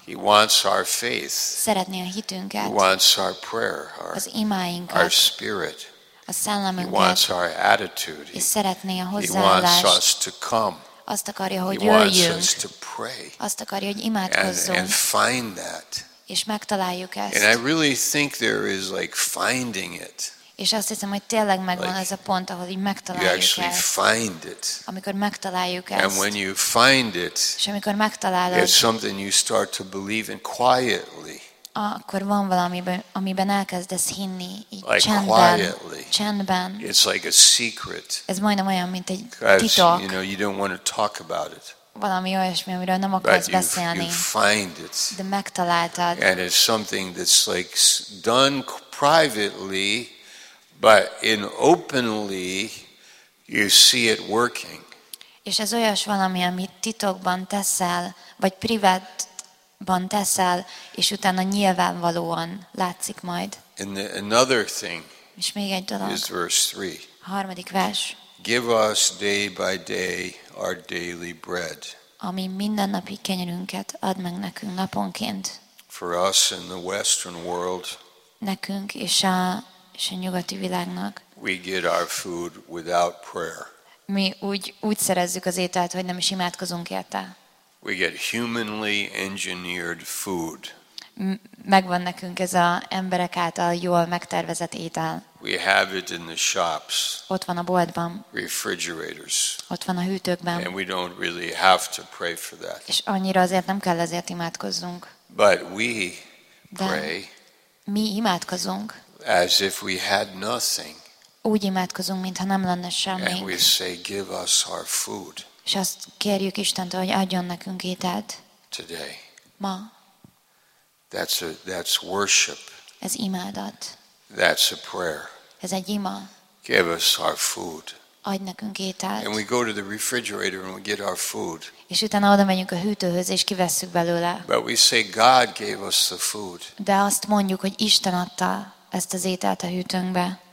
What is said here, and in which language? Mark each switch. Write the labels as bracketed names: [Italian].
[English] He wants our faith. [Hungarian] Szeretné a hitünket. [English] He wants our prayer. [Hungarian] Az imáinkat. [English] Our spirit. [Hungarian] A szellemünket. [English] He wants our attitude. [Hungarian] És szeretné a hozzáállást. [English] He wants us to come. [Hungarian] Azt akarja, hogy [English] he wants [Hungarian] jöjjünk. [English] Us to pray. [Hungarian] Azt akarja, hogy imádkozzunk. [English] And find that. [Hungarian] És megtaláljuk ezt. [English] And I really think there is like finding it. [Hungarian] És azt hiszem, hogy tényleg megvan ez a pont, ahol így megtaláljuk [English] ezt. You actually find it. [Hungarian] Amikor megtaláljuk ezt. [English] And when you find it. [Hungarian] És amikor megtalálod. [English] It's something you start to believe in quietly. [Hungarian] Akkor van valami, amiben elkezdesz hinni, így [English] like [Hungarian] csendben. [English] It's like a secret. [Hungarian] Ez majdnem olyan, mint egy [English] because, [Hungarian] titok. [English] You know, you don't want to talk about it. [Hungarian] Valami olyasmi, amiről nem akarsz beszélni. [English] You find it. [Hungarian] De megtaláltad. [English] And it's something that's like done privately, but in openly, you see it working. [Hungarian] És ez olyas valami, amit titokban teszel, vagy privát teszel, és utána nyilvánvalóan látszik majd. [English] Another thing. [Hungarian] És még egy dolog. [English] Is verse 3. [Hungarian] A harmadik vers. [English] Give us day by day our daily bread. [Hungarian] Ami mindennapi kenyerünket ad meg nekünk naponként. [English] For us in the Western world. [Hungarian] Nekünk és a nyugati világnak. [English] We get our food without prayer. [Hungarian] Mi úgy szerezzük az ételt, hogy nem is imádkozunk érte. [English] We get humanly engineered food. [Hungarian] Megvan nekünk ez a emberek által jól megtervezett étel. [English] We have it in the shops. [Hungarian] Ott van a boltban. [English] Refrigerators. [Hungarian] Ott van a hűtőkben. [English] And we don't really have to pray for that. [Hungarian] És annyira azért nem kell ezért imádkozzunk. [English] But we pray. [Hungarian] Mi imádkozunk. [English] As if we had nothing. [Hungarian] Úgy imádkozunk, mintha nem lenne semmi. [English] And we say, give us our food. [Hungarian] És azt kérjük Istentől, hogy adjon nekünk ételt. [English] Today. [Hungarian] Ma. [English] That's worship. [Hungarian] Ez imádat. [English] That's a prayer. [Hungarian] Ez egy ima. [English] Give us our food. [Hungarian] Adj nekünk ételt. [English] And we go to the refrigerator and we get our food. [Hungarian] És utána oda megyünk a hűtőhöz és kivesszük belőle. [English] But we say God gave us the food. [Hungarian] De azt mondjuk, hogy Isten adta ezt az ételt a hűtőnkbe.